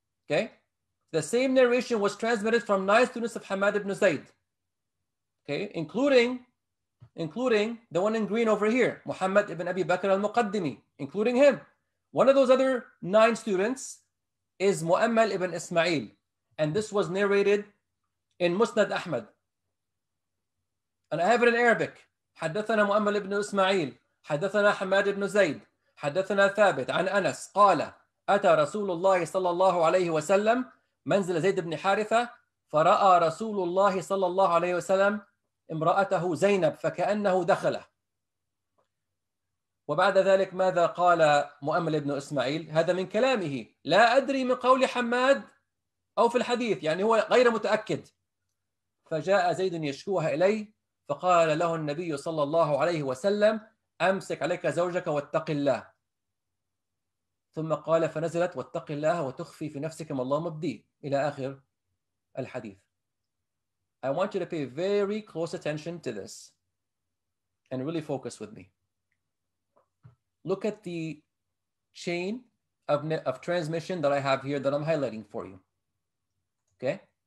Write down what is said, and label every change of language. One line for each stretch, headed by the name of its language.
English: Okay? The same narration was transmitted from 9 students of Hamad ibn Zayd. Okay? Including the one in green over here, Muhammad ibn Abi Bakr al-Muqaddimi, including him. One of those other 9 students is Mu'ammal ibn Ismail. And this was narrated in Musnad Ahmad. And I have it in Arabic.
Arabic: حدثنا مؤمل بن إسماعيل حدثنا حماد بن زيد حدثنا ثابت عن أنس قال أتى رسول الله صلى الله عليه وسلم منزل زيد بن حارثة فرأى رسول الله صلى الله عليه وسلم امرأته زينب فكأنه دخله وبعد ذلك ماذا قال مؤمل بن إسماعيل هذا من كلامه لا أدري من قول حماد أو في الحديث يعني هو غير متأكد فجاء زيد يشكوها إليه فقال له النبي صلى الله عليه وسلم أمسك عليك زوجك واتق الله ثم قال فنزلت واتق الله وتخفي في نفسك ما الله مبدي إلى آخر الحديث.
English: I want you to pay very close attention to this and really focus with me. Look at the chain of transmission that I have here that I'm highlighting for you. Okay?